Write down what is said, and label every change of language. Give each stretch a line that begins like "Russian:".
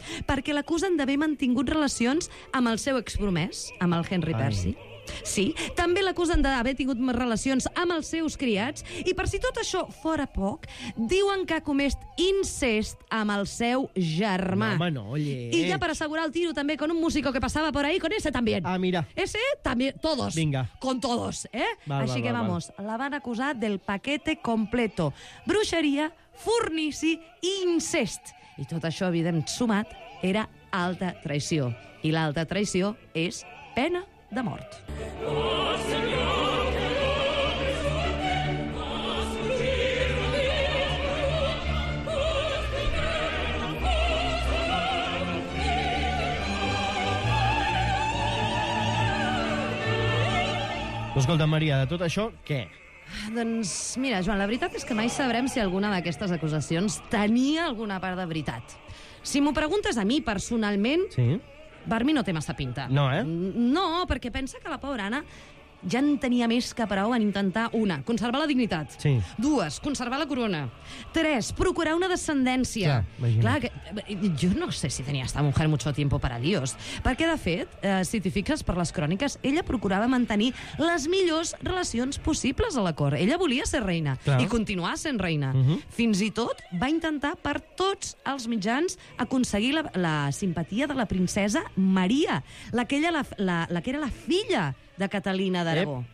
Catalan: Perquè l'acusen d'haver mantingut relacions amb el seu expromès, amb el Henry Percy. Sí, també l'acusen d'haver tingut més relacions amb els seus criats i per si tot això fora poc, diuen que ha comès incest amb el seu germà. No, home, no, lleig. I ja per assegurar el tiro també
Spanish: con un músico que passava por ahí, con ese también. Ah, mira. Ese también, todos.
Catalan: Vinga.
Spanish: Con todos, eh?
Catalan: Val, així val,
Spanish: que vamos,
Catalan: val. La van acusar
Spanish: del paquete completo.
Catalan: Bruixeria, fornici i incest. I tot això, evident, sumat, era alta traïció. I l'alta traïció és pena de mort. Escolta, Maria, de tot això, què? Doncs mira, Joan, la veritat és que mai sabrem si alguna d'aquestes acusacions tenia alguna part de veritat. Si m'ho preguntes a mi personalment... Sí. Per mi no té massa pinta. No, eh? No, perquè pensa que la pobra Anna ja en tenia més que prou en intentar, una, conservar la dignitat. Sí. Dues, conservar la corona. Tres, procurar una descendència. Clar, imagina't. Jo no sé si tenia
Spanish: esta mujer mucho tiempo para líos.
Catalan: Perquè, de fet, si t'hi fixes per les cròniques, ella procurava mantenir les millors relacions possibles a la cort. Ella volia ser reina. Clar. I continuar sent reina. Fins i tot va intentar per tots els mitjans aconseguir la simpatia de la princesa Maria, la que era la filla de Catalina d'Aragó.